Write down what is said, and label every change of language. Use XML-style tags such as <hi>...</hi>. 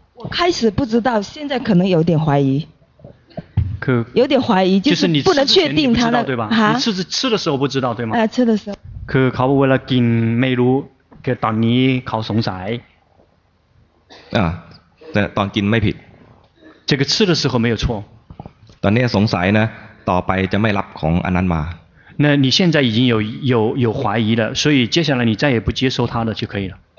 <zh>开始不知道，现在可能有点怀疑，可有点怀疑，就是不能确定他的对吧？啊，吃的时候不知道对吗？哎，吃的时候。</zh> <th>可เขาเวลากินไม่รู้ก็ตอนนี้เขาสงสัย。啊，แต่ตอนกินไม่ผิด。</th> <zh>这个吃的时候没有错。</zh> <th>ตอนนี้สงสัยนะ，ต่อไปจะไม่รับของอันนั้นมา。</th> <zh>那你现在已经有怀疑了，所以接下来你再也不接受他的就可以了。</zh>